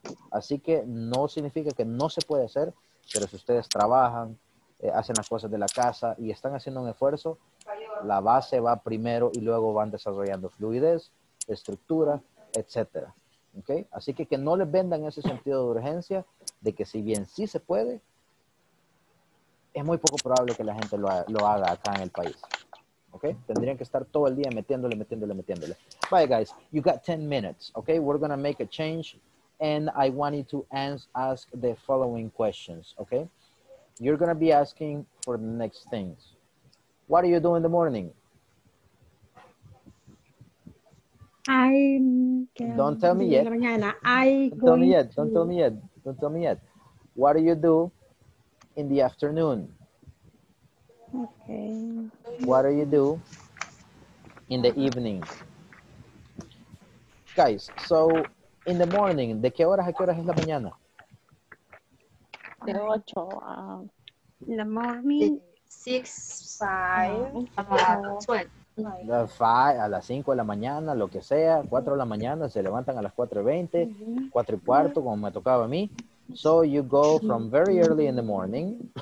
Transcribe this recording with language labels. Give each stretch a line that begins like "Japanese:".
Spanish: Así que no significa que no se puede hacer, pero si ustedes trabajan, hacen las cosas de la casa y están haciendo un esfuerzo, la base va primero y luego van desarrollando fluidez, estructura, etc. ¿Okay? Así que no les vendan ese sentido de urgencia de que si bien sí se puede, es muy poco probable que la gente lo haga acá en el país. Okay, tendrían que estar todo el día metiéndole.
English: Bye, guys. You got 10 minutes. Okay, we're going to make a change. And I want you to ask the following questions. Okay, you're going to be asking for the next things. What do you do in the morning? I don't tell me yet. Don't tell me yet. What do you do in the afternoon? Okay. What do you do in the evening? Guys, so in the morning,
Spanish: ¿de qué horas a qué horas es la mañana? De 8
English: in the morning. 6, 5, 12.
Spanish: A las 5 de la mañana, lo que sea, 4 de la mañana, se levantan a las 4:20, 4:15, como me tocaba a mí.
English: So you go from very early in the morning.